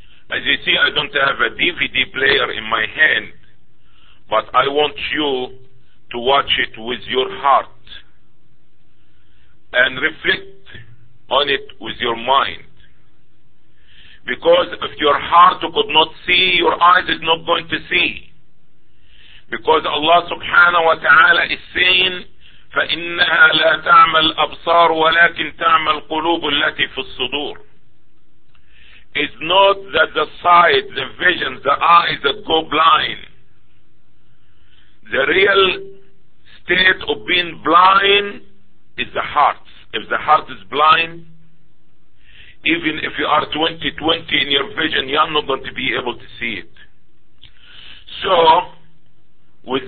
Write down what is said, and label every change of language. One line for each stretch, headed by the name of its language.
English: As you see, I don't have a DVD player in my hand, but I want you to watch it with your heart and reflect on it with your mind. Because if your heart could not see, your eyes is not going to see. Because Allah subhanahu wa ta'ala is saying,
Arabic: فإنها لا تعمل أبصار ولكن تعمل قلوب التي في الصدور.
English: It's not that the sight, the vision, the eyes that go blind. The real state of being blind is the heart. If the heart is blind, even if you are 20/20 in your vision, you are not going to be able to see it. So, with